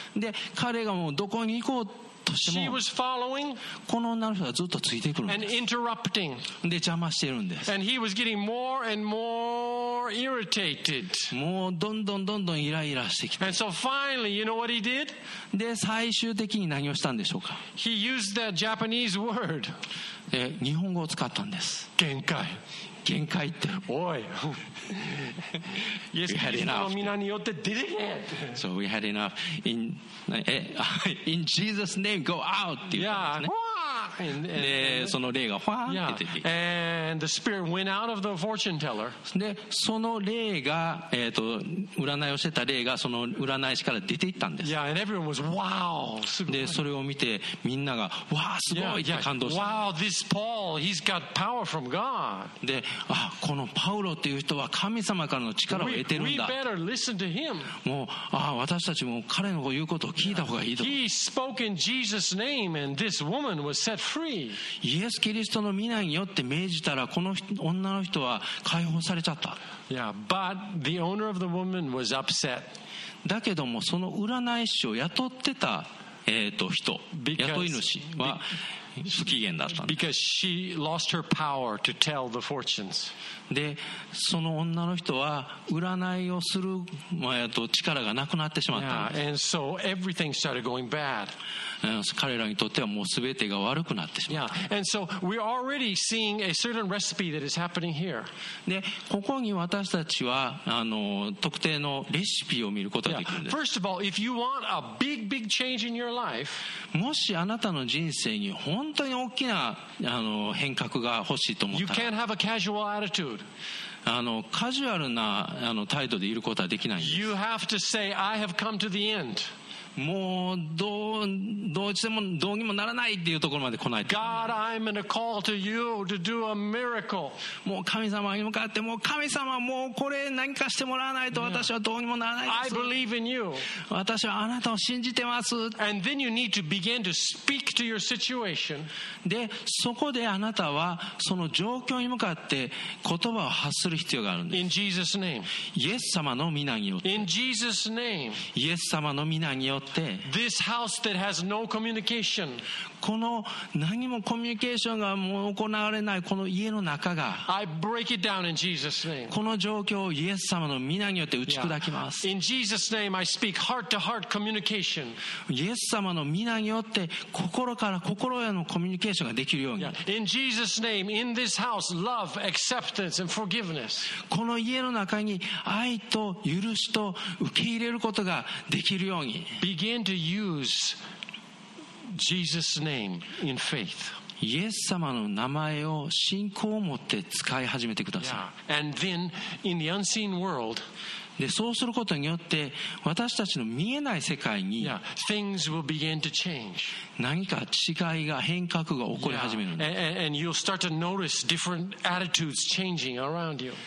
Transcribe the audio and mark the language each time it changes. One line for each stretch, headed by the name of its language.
Japanese: で彼がもうどこに行こうとしても
English: she was following,
Japanese: この女の人がずっとついてくるんです。
English: and interrupting.
Japanese: で邪魔してるんです。
English: and he was getting more and more irritated.
Japanese: もうどんどんどんどんイライラしてきて。
English: and so finally, you know what he did?
Japanese: で最終的に何をしたんでしょうか。
English: he used the Japanese word.
Japanese: 日本語を使ったんです。限界、限界って。
English: おい。Yes, we had enough.
Japanese: その皆によって出てけ。
English: So we had enough. In Jesus' name, go out. Yeah.
Japanese: でその霊がファーって出て。
English: Yeah. And the spirit went out of the fortune teller.
Japanese: でその霊が占いをしてた霊がその占い師から出ていったんです。
English: Yeah, and everyone was wow.
Japanese: でそれを見てみんながわあすごいって感動した。
English: Yeah, yeah. Wow, this Paul, he's got power from God.
Japanese: で、あ、このパウロっていう人は神様からの力を得てるんだ。
English: We better listen to him.
Japanese: もう、あ、私たちも彼の言うことを聞いた方がいいと。
English: He spoke in Jesus' name, and this woman was set free.
Japanese: イエス・キリストの御名によって命じたらこの女の人は解放されちゃった。
English: Yeah, but the owner of the woman was upset.
Japanese: だけどもその占い師を雇ってた人、雇い主は不機嫌だったんです。
English: Because she lost her power to tell the fortunes.
Japanese: で、その女の人は占いをする力がなくなってしまったんです。
English: Yeah, and so everything started going bad.
Japanese: 彼らにとってはもう全てが悪くなってしまった。
English: Yeah, and so we're already seeing a certain recipe that is happening here.
Japanese: で、ここに私たちは特定のレシピを見ることができるんです。
English: Yeah. First of all, if you want a big, big change in your life,
Japanese: もしあなたの人生に本当に大きな変革が欲しいと思ったら、
English: You can't have a casual attitude.
Japanese: カジュアルな態度でいることはできないんです。
English: You have to say, I have come to the end.
Japanese: もうどうにもならないっていうところまで来ないと。
English: God, I'm in a call to you to do a miracle.
Japanese: もう神様に向かって、もう神様、もうこれ何かしてもらわないと私はどうにもならないです。
English: I believe in you.
Japanese: 私はあなたを信じてます。
English: And then you need to begin to speak to your situation.
Japanese: で、そこであなたはその状況に向かって言葉を発する必要があるんです。
English: In Jesus' name.
Japanese: イエス様の御名によって。
English: In Jesus' name.
Japanese: イエス様の御名によって。
English: This house that has no communication.
Japanese: この何もコミュニケーションがもう行われないこの家の中が、
English: I break it down in Jesus' name.
Japanese: この状況をイエス様の御名によって打ち砕きます。
English: Yeah. In Jesus' name, I speak heart-to-heart communication.
Japanese: イエス様の御名によって心から心へのコミュニケーションができるように。
English: Yeah. In Jesus' name, in this house, love, acceptance, and forgiveness.
Japanese: この家の中に愛と許しと受け入れることができるように。
English: Begin to use Jesus' name in faith.
Japanese: イエス様の名前を信仰を持って使い始めてください。
English: Yeah. And then in the unseen world,
Japanese: で、そうすることによって私たちの見えない世界に
English: things will begin to change.
Japanese: 何か違いが変革が起こり始めるんです。
English: And you'll start to notice different attitudes changing around you.